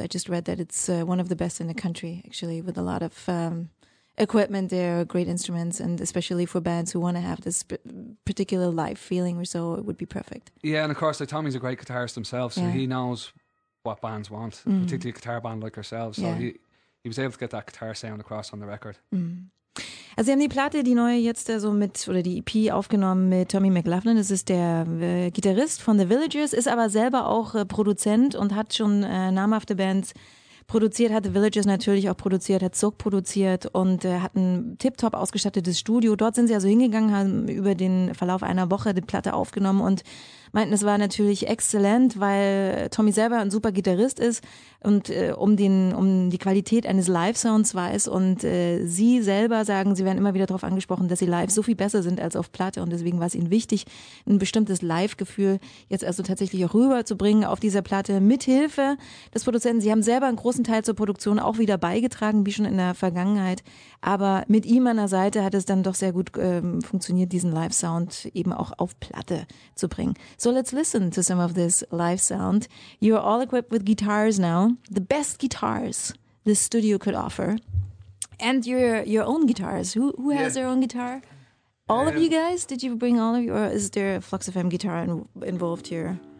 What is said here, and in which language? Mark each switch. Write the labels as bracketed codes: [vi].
[en] I just read that it's one of the best in the country, actually, with a lot of equipment there, great instruments, and especially for bands who want to have this particular live feeling or so, it would be perfect. Yeah, and of course, like, Tommy's a great guitarist himself, so he knows what bands want, particularly a guitar band like ourselves. So he was able to get that guitar sound across on the record. Mm. [de] Also, Sie haben die Platte, die neue jetzt so mit, oder die EP aufgenommen mit Tommy McLachlan. Das ist der Gitarrist von The Villagers, ist aber selber auch Produzent und hat schon namhafte Bands produziert, hat The Villagers natürlich auch produziert, hat Zug produziert und hat ein tiptop ausgestattetes Studio. Dort sind sie also hingegangen, haben über den Verlauf einer Woche die Platte aufgenommen und meinten, es war natürlich exzellent, weil Tommy selber ein super Gitarrist ist und um die Qualität eines Live-Sounds weiß. Und sie selber sagen, sie werden immer wieder darauf angesprochen, dass sie live so viel besser sind als auf Platte. Und deswegen war es ihnen wichtig, ein bestimmtes Live-Gefühl jetzt also tatsächlich auch rüberzubringen auf dieser Platte mit Hilfe des Produzenten. Sie haben selber einen großen Teil zur Produktion auch wieder beigetragen, wie schon in der Vergangenheit. Aber mit ihm an der Seite hat es dann doch sehr gut funktioniert, diesen Live-Sound eben auch auf Platte zu bringen. [en] So let's listen to some of this live sound. You're all equipped with guitars now, the best guitars this studio could offer, and your own guitars. Who has their own guitar? All of you guys? Did you bring all of your? Is there a Flux FM guitar involved here?